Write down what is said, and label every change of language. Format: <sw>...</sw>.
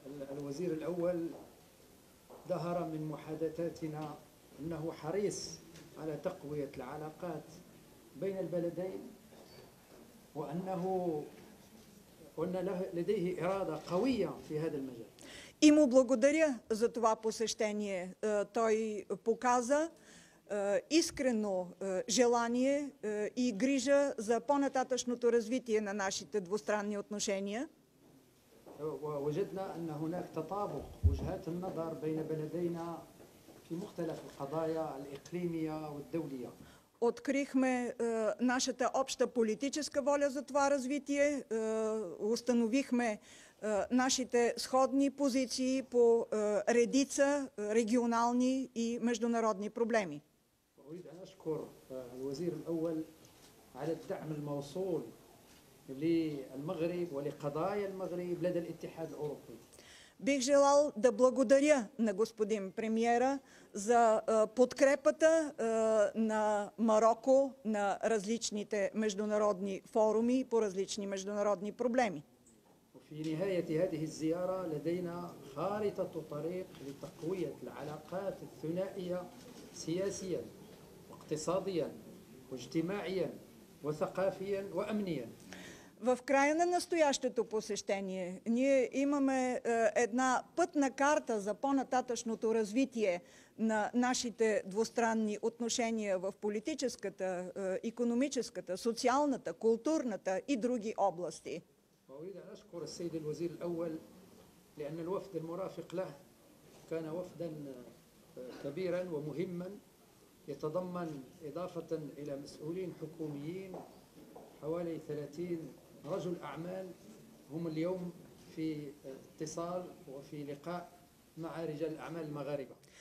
<ar>الوزير الأول ظهر من محادثاتنا أنه حريص على تقوية العلاقات بين البلدين، وأن لديه إرادة قوية في هذا المجال.</ar> <bg>И му благодаря за това посещение. Той показа искрено желание и грижа за по-нататъчното развитие на нашите двустранни отношения.</bg> <ar>ووجدنا أن هناك تطابق وجهات النظر بين بلدينا في مختلف القضايا الإقليمية والدولية.</ar> <bg>Открихме нашата обща политическа воля за това развитие, установихме нашите сходни позиции по редица регионални и международни проблеми.</bg> <ar>أريد أن أشكر الوزير الأول على الدعم الموصول للمغرب ولقضايا المغرب لدى الاتحاد الأوروبي.</ar> <bg>Бих желал да благодаря на господин премиера за подкрепата на Марокко на различните международни форуми по различни международни проблеми.</bg> <ar>وفي نهاية هذه الزيارة لدينا خارطة طريق لتقوية العلاقات الثنائية سياسيا واقتصاديا واجتماعيا وثقافيا وأمنيا.</ar> <bg>В края на настоящето посещение ние имаме една пътна карта за по-нататъчното развитие на нашите двустранни отношения в политическата, икономическата, социалната, културната и други области.</bg> <ar>أريد أن أشكر السيد الوزير الأول لأن الوفد المرافق له كان وفدا كبيرا ومهما يتضمن إضافة إلى مسؤولين حكوميين حوالي 30 رجل أعمال هم اليوم في اتصال وفي لقاء مع رجال أعمال المغاربة.</ar>